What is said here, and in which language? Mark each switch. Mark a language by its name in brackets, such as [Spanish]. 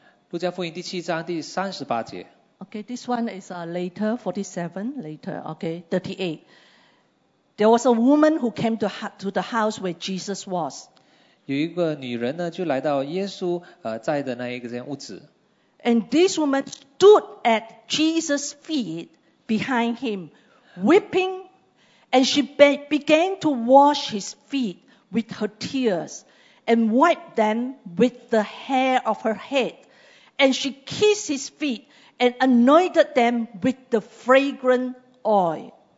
[Chinese] 路加福音第七章第三十八节。 [English] Okay, this one is later, 47, later, okay, 38. There was a woman who came to the house where Jesus was. [Chinese] 有一个女人呢，就来到耶稣在的那一个间屋子。 [English] And this woman stood at Jesus' feet behind him, weeping, and she began to wash his feet with her tears. And wiped them with the hair of her head. And she kissed his feet and anointed them with the fragrant oil.